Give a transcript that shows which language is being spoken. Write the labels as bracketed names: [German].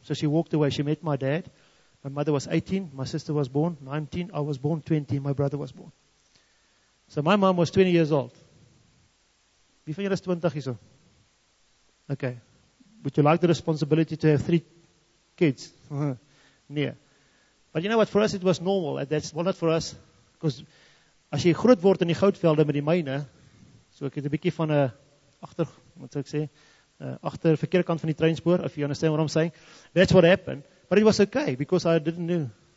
[English] So she walked away. She met my dad. My mother was 18. My sister was born 19. I was born 20. My brother was born. So my mom was 20 years old. [Afrikaans] Wie van julle is 20 hierso? [English] Okay. Would you like the responsibility to have 3 kids? Nee. But you know what? For us it was normal. That's well, not for us. [Afrikaans] Because as jy groot word in die goudvelde met die myne, so ek het 'n bietjie van 'n agter, wat sou ek sê, agter verkeerde kant van die treinspoor, [English] if you understand what I'm saying. That's what happened. But it was okay, because I didn't know.